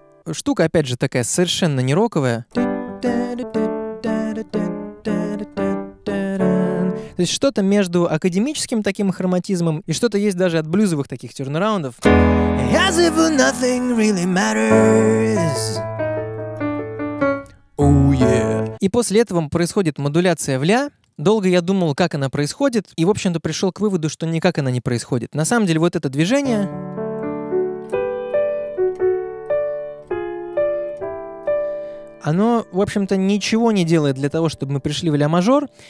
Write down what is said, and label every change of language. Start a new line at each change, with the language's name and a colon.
Russian: Штука, опять же, такая совершенно не роковая. То есть что-то между академическим таким хроматизмом и что-то есть даже от блюзовых таких тёрнараундов.
English: As if nothing really matters. Oh, yeah.
Russian: И после этого происходит модуляция в ля. Долго я думал, как она происходит, и, в общем-то, пришел к выводу, что никак она не происходит. На самом деле, вот это движение... Оно, в общем-то, ничего не делает для того, чтобы мы пришли в ля-мажор.